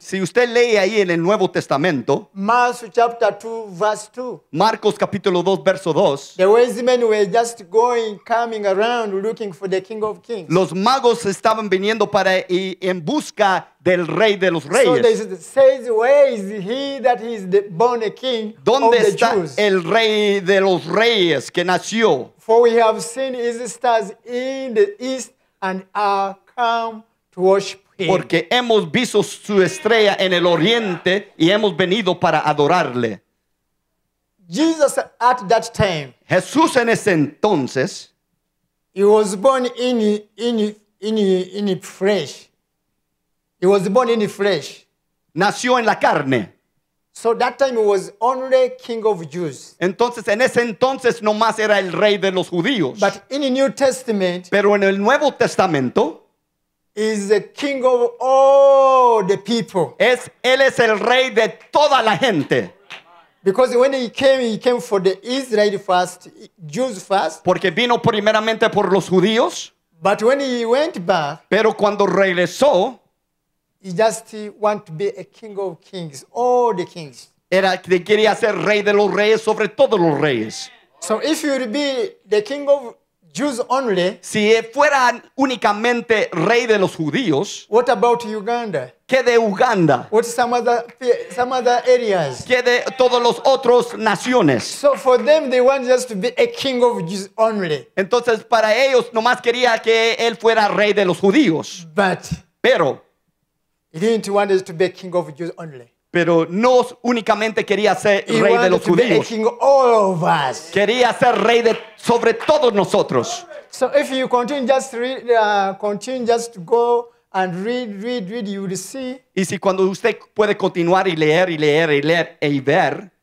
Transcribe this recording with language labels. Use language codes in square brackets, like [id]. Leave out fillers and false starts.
[es] si usted lee ahí en el Nuevo Testamento, [en] Mark chapter 2, verse 2, [es] Marcos capítulo 2, verso 2, [en] the wise men were just going, coming around, looking for the King of Kings. [es] Los magos estaban viniendo para en busca del Rey de los Reyes. [en] So they said, where is he that is the born a King of the Jews? [es] ¿Dónde está el Rey de los Reyes que nació? [en] For we have seen his stars in the east and are come to worship. [es] Porque hemos visto su estrella en el oriente y hemos venido para adorarle. [en] Jesus at that time. [es] Jesús en ese entonces. [en] He was born in flesh. He was born in flesh. [es] Nació en la carne. [en] So that time he was only King of Jews. [es] Entonces en ese entonces nomás era el Rey de los Judíos. [en] But in the New Testament. [es] Pero en el Nuevo Testamento. [en] Is the King of all the people. [es] Él es el Rey de toda la gente. [en] Because when he came for the Israel first, Jews first. [es] Porque vino primeramente por los judíos. [en] But when he went back. [es] Pero cuando regresó. [en] He just wanted to be a King of Kings, all the kings. [es] Era que quería ser Rey de los Reyes sobre todos los reyes. [en] So if you would be the King of Jews only. [es] Si fuera únicamente rey de los judíos. [en] What about Uganda? [es] ¿Qué de Uganda? [en] What some other areas? [es] ¿Qué de todos los otros naciones? [en] So for them they want just to be a King of Jews only. [es] Entonces para ellos nomás quería que él fuera rey de los judíos. [en] But. [es] Pero. [en] He didn't want us to be a King of Jews only. [es] Pero no únicamente quería ser [en] he [es] rey de los judíos. [en] King all of us. [es] Quería ser rey de sobre todos nosotros. [en] So if you continue just go and read, you will see. [es] Y si cuando usted puede continuar y leer y leer y leer y ver.